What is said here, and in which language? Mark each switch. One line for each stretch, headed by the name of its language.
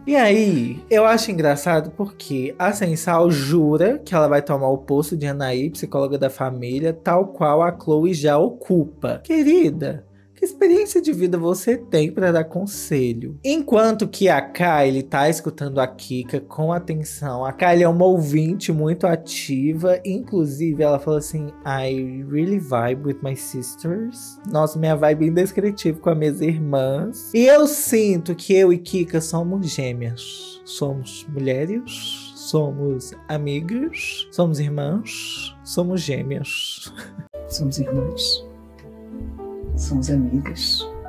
Portuguese: E aí, eu acho engraçado porque a Sem Sal jura que ela vai tomar o posto de Anaí, psicóloga da família, tal qual a Chloe já ocupa. Querida, que experiência de vida você tem pra dar conselho? Enquanto que a Kylie tá escutando a Kika com atenção. A Kylie é uma ouvinte muito ativa. Inclusive, ela falou assim,
English: I really vibe with my sisters.
Portuguese: Nossa, minha vibe é indescritível com as minhas irmãs. E eu sinto que eu e Kika somos gêmeas. Somos mulheres. Somos amigas. Somos irmãs. Somos gêmeas. Somos irmãs. Somos amigas.